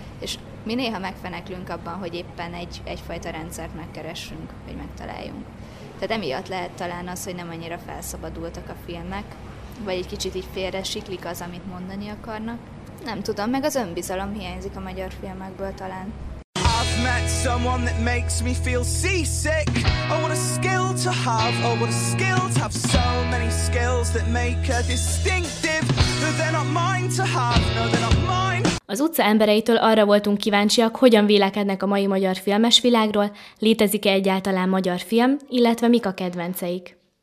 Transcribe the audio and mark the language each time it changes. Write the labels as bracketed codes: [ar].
[hu] És mi néha megfeneklünk abban, hogy éppen egyfajta rendszert megkeressünk, hogy megtaláljunk. Tehát emiatt lehet talán az, hogy nem annyira felszabadultak a filmek, vagy egy kicsit így félre siklik az, amit mondani akarnak. Nem tudom, meg az önbizalom hiányzik a magyar filmekből talán. [en] I've met someone that makes me feel seasick. Oh, what a skill to have, oh, what a skill to have. So many skills that make her distinctive. No, they're not mine to have, no, they're not mine. [hu] Az utca embereitől arra voltunk kíváncsiak, hogyan vélekednek a mai magyar filmes világról, létezik-e egyáltalán magyar film, illetve mik a kedvenceik.